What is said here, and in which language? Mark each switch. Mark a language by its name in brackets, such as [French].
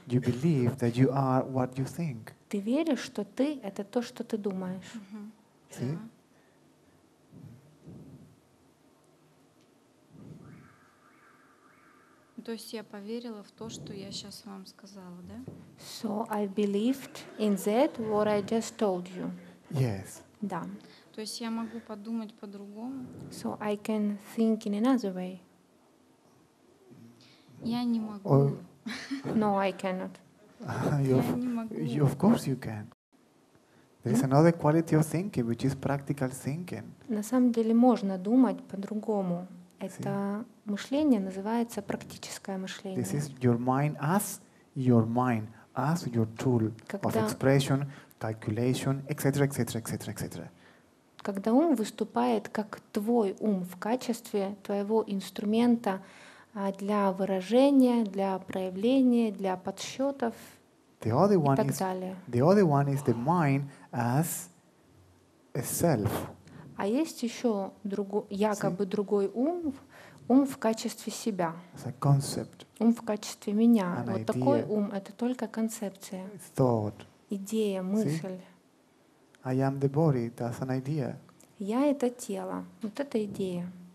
[English] you believe that you are what you think. [Russian] Ты веришь, что ты — это то, что ты думаешь. [English] Mm-hmm. See? Yeah. [Russian] То есть я поверила в то, что я сейчас вам сказала, да? [English] So I believed in that what I just told you. Yes. [Russian] Да. То есть я могу подумать по-другому? [English] So I can think in another way. [Russian] Я не могу. [English] Or... No, I cannot. You, of course you can. There is another quality of thinking, which is practical thinking. [Russian] На самом деле можно думать по-другому. Это мышление называется практическое мышление. [English] This is your mind as your mind, as your tool of expression, calculation, etc., etc., etc., etc. [Russian] Когда ум выступает как твой ум в качестве твоего инструмента для выражения, для проявления, для подсчетов и так далее. [English] The other one is the mind as a self. [Russian] А есть еще другой ум, ум в качестве себя. [English] It's a concept. [Russian] Ум в качестве меня. [English] An [Russian] вот [English] idea. [Russian] Такой ум — это только концепция. [English] It's thought. [Russian] Идея, мысль. [English] See? I am the body. That's an idea. [Russian] Я это тело. Вот это идея.